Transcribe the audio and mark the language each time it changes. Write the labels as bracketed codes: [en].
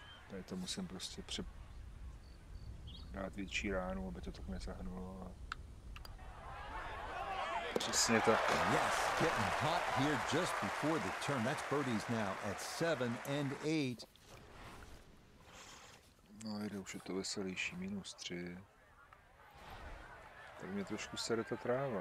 [cs] Tady to musím prostě dát větší ránu, aby to tak nezahrnulo. Přesně tak. [en] Yes, getting hot here just before the turn. That's birdies now at 7 and 8. [cs] No, jde už je to veselější, minus 3. Tak mě trošku sere ta tráva.